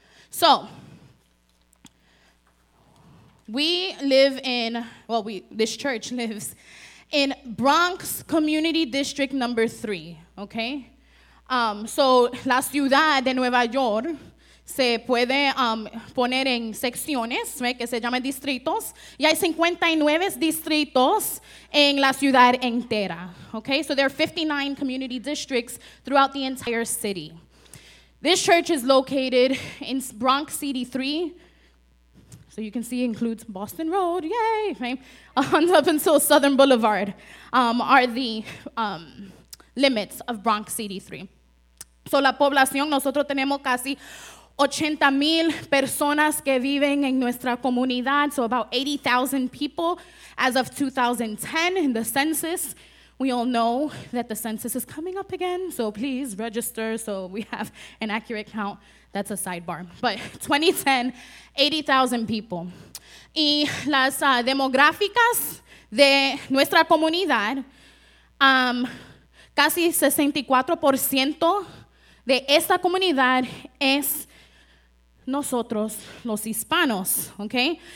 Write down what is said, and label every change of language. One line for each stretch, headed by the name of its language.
English: So, we live in, well, this church lives in Bronx Community District number 3, okay?
Spanish: So, la ciudad de Nueva York se puede poner en secciones, right, que se llaman distritos, y hay 59 distritos en la ciudad entera.
English: Okay, so there are 59 community districts throughout the entire city. This church is located in Bronx City 3, so you can see includes Boston Road, yay, right, up until Southern Boulevard are the limits of Bronx City 3.
Spanish: So la población, nosotros tenemos casi 80,000 personas que viven en nuestra comunidad,
English: so about 80,000 people as of 2010 in the census. We all know that the census is coming up again, so please register so we have an accurate count. That's a sidebar. But 2010, 80,000 people.
Spanish: Y las demográficas de nuestra comunidad, casi 64% de esta comunidad es nosotros, los hispanos, okay?